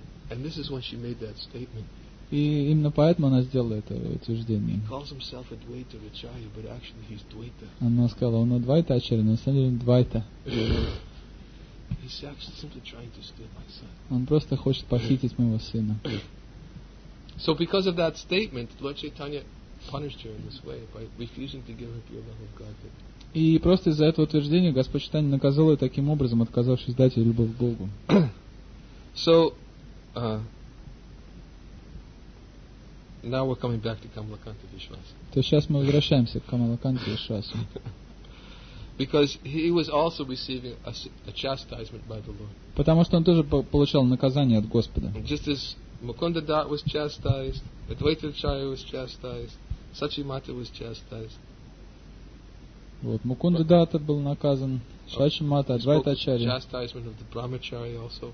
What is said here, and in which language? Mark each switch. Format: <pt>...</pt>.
<en>And this is when she made that statement.</en> <ru>И именно поэтому она сделала это утверждение.</ru> <en>He calls himself Advaita Acharya, but actually he's Dvaita.</en> <ru>Она сказала, он Адвайта Ачарьи, но на самом деле Двайта.</ru> <en>He's actually simply trying to steal my son.</en> <ru>Он просто хочет похитить моего сына.</ru> <en>So because of that statement, Lord Chaitanya punished her in this way by refusing to give up your love of Godhead.</en> <ru>И просто из-за этого утверждения Господь Чайтанья наказал ее таким образом, отказавшись дать ей любовь к Богу.</ru> <en>So, now we're coming back to Kamalakanta Vishwasa.</en> <ru>То сейчас мы возвращаемся к Камалаканте Вишвасе.</ru> <en>Because he was also receiving a chastisement by the Lord.</en> <ru>Потому что он тоже получал наказание от Господа.</ru> <en>Just as Mukunda Dat was chastised, Advaita Acharya was chastised, Sachimata was chastised.</en> <ru>Вот, Мукунда Дата был наказан, Шачимата, Адвайта Ачарья.</ru> <en>Chastisement of the Brahmachari also.</en>